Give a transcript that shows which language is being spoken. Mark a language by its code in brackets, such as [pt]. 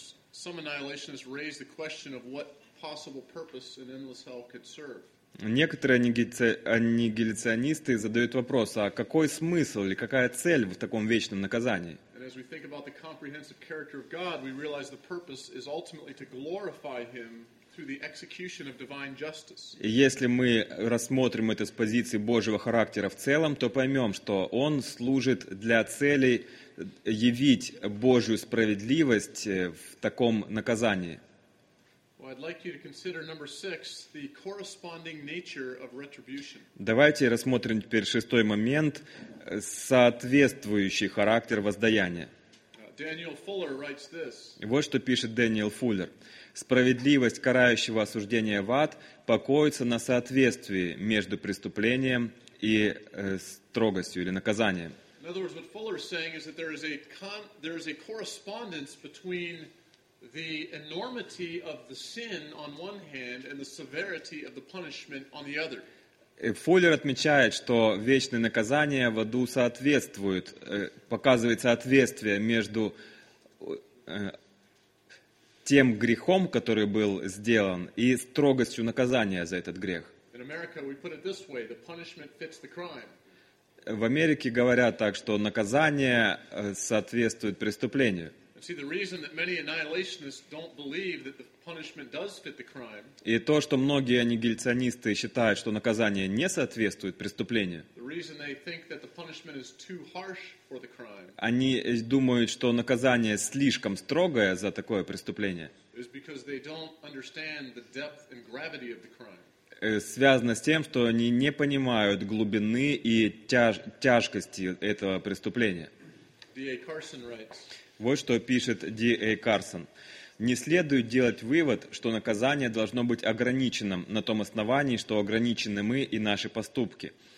[en] Some annihilationists raised the question of what possible purpose an endless hell could serve. [ru] Некоторые аннигиляционисты задают вопрос, а какой смысл или какая цель в таком вечном наказании? [en] And as we think about the comprehensive character of God, we realize the purpose is ultimately to glorify Him through the execution of divine justice. [ru] Если мы рассмотрим это с позиции Божьего характера в целом, то поймем, что Он служит для цели явить Божью справедливость в таком наказании. [en] Well, I'd like you to consider number six, the corresponding nature of retribution. [ru] Давайте рассмотрим теперь шестой момент, соответствующий характер воздаяния. [en] Daniel Fuller writes this. [ru] Вот что пишет Дэниел Фуллер. Справедливость карающего осуждения в ад покоится на соответствии между преступлением и строгостью или наказанием. [en] In other words, what Fuller is saying is that there is a correspondence between the enormity of the sin on one hand and the severity of the punishment on the other. [ru] Фуллер отмечает, что вечное наказание в аду соответствует, показывает соответствие между тем грехом, который был сделан, и строгостью наказания за этот грех. [en] In America, we put it this way, the punishment fits the crime. [ru] В Америке говорят так, что наказание соответствует преступлению. [en] See, the reason that many annihilationists don't believe that the punishment does fit the crime. [ru] И то, что многие аннигиляционисты считают, что наказание не соответствует преступлению. [en] The reason they think that the punishment is too harsh for the crime. [ru] Они думают, что наказание слишком строгое за такое преступление. [en] Is because they don't understand the depth and gravity of the crime. [ru] Связано с тем, что они не понимают глубины и тяжкости этого преступления. [en] D.A. Carson writes. [ru] Вот что пишет Д.А. Карсон. «Не следует делать вывод, что наказание должно быть ограниченным на том основании, что ограничены мы и наши поступки.